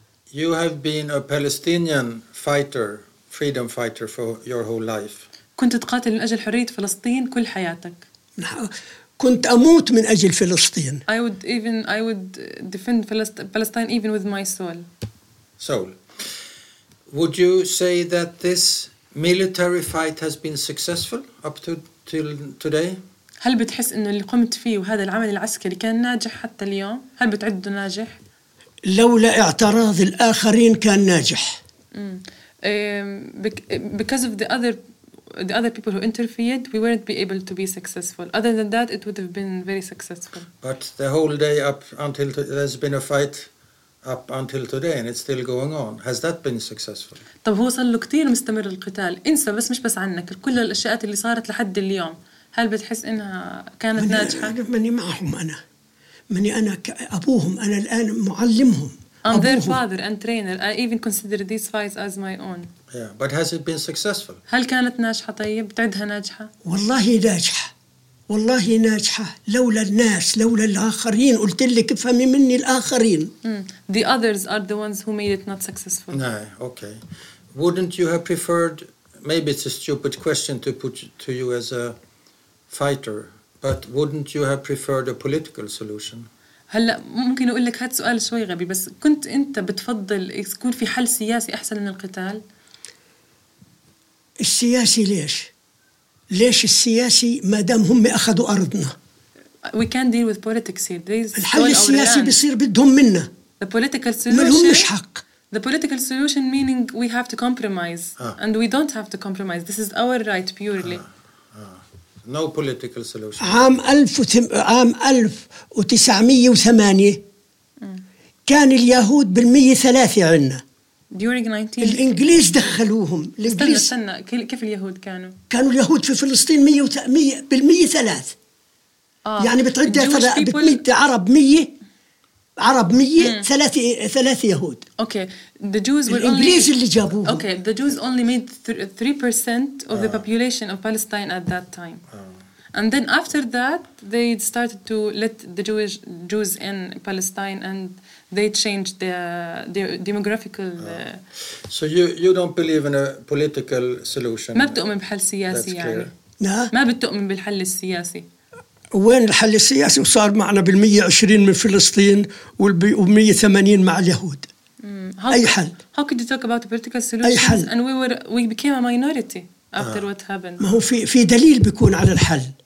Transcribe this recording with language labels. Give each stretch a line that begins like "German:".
English: You have been a Palestinian fighter, freedom fighter for your whole life.
Arabic: كنت تقاتل من أجل حرية فلسطين كل حياتك. كنت أموت من أجل فلسطين.
English: I would defend Palestine even with my soul. Soul. Would you say that this military fight has been successful up to till today?
Arabic: هل بتحس إنه اللي قمت فيه وهذا العمل العسكري كان ناجح حتى اليوم؟ هل بتعده ناجح؟ لولا اعتراض الآخرين كان ناجح.
English: Because of the other people who interfered, we wouldn't be able to be successful. Other than that, it would have been very successful. But the whole day up until there's been a fight up until today, and it's still going on. Has that been successful?
Arabic: طب هو صار له كتير مستمر القتال. انسى بس مش بس عنك. كل الأشياء اللي صارت لحد اليوم. هل بتحس إنها كانت ناجحة؟ ماني معهم أنا. ماني أنا أبوهم. أنا الآن معلمهم.
English: I'm their father and trainer. I even consider these fights as my own. Yeah, but has it been successful?
Arabic: هل كانت ناجحة طيب؟ بتعدها ناجحة؟ والله ناجحة. والله ناجحة. لولا الناس، لولا الآخرين. قلت لك افهمي مني الآخرين.
English: The others are the ones who made it not successful. No, okay. Wouldn't you have preferred? Maybe it's a stupid question to put to you as a fighter, but wouldn't you have preferred a political solution?
Arabic: هلا ممكن أقول لك هاد سؤال شوي غبي بس كنت أنت بتفضل يكون في حل سياسي أحسن من القتال؟ السياسي ليش؟ ليش السياسي ما دام هم أخذوا أرضنا؟
English: We can't deal with politics here. They stole
Arabic: الحل السياسي بيصير بدهم منا.
English: The political solution.
Arabic: ما لهم مش حق.
English: The political solution meaning we have to compromise and we don't have to compromise. This is our right purely. No political solution.
Arabic: عام 1908 كان اليهود بالمية ثلاثة عنا.
English: During 19.
Arabic: الإنجليز دخلوهم. استنى كيف اليهود كانوا؟ كانوا اليهود في فلسطين مية وتمية بالمية ثلاث. يعني بتعد عرب مية ثلاثة يهود.
English: Okay, the Jews were
Arabic: الإنجليز اللي جابوهم.
English: Okay, the Jews only made 3% of the population of Palestine at that time. And then after that, they started to let the Jews in Palestine, and they changed their demographical. So you don't believe in a political solution?
Arabic: ما بتؤمن بحل سياسي يعني. لا. ما بتؤمن بالحل السياسي. وين الحل السياسي وصار معنا بالمية عشرين من فلسطين والمية ثمانين مع اليهود؟ أي حل؟
English: How could you talk about political solutions? And we became a minority after what happened.
Arabic: ما هو في دليل بيكون على الحل.